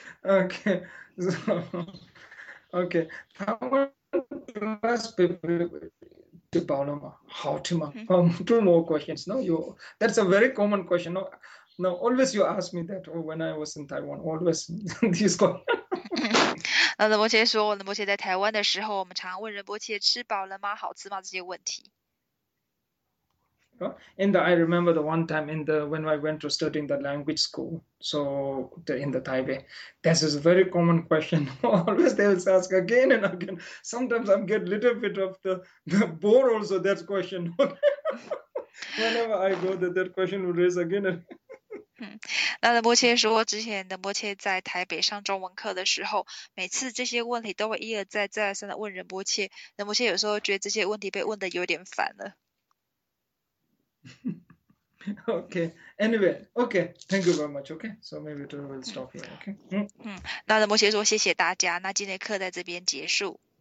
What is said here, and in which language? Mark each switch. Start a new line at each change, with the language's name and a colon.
English: Okay, 他们 ask people 吃饱了吗？好吃吗？ Two more questions. No, that's a very common question. No. No, always you ask me that when I was in Taiwan. Always this one.
Chinese: 那仁波切说，仁波切在台湾的时候，我们常问仁波切吃饱了吗、好吃吗这些问题。
English: And I remember the one time in the when I went to studying the language school. So in the Taipei, this is a very common question. Always they will ask again and again. Sometimes I get little bit of the bore also that question. Whenever I go, that question will raise again and.
Chinese: 那仁波切说，之前仁波切在台北上中文课的时候，每次这些问题都会一而再、再而三的问仁波切。仁波切有时候觉得这些问题被问得有点烦了。
English: Okay. Anyway, okay. Thank you very much. Okay. So maybe we'll stop here. Okay.
Chinese: 那仁波切说谢谢大家，那今天课在这边结束。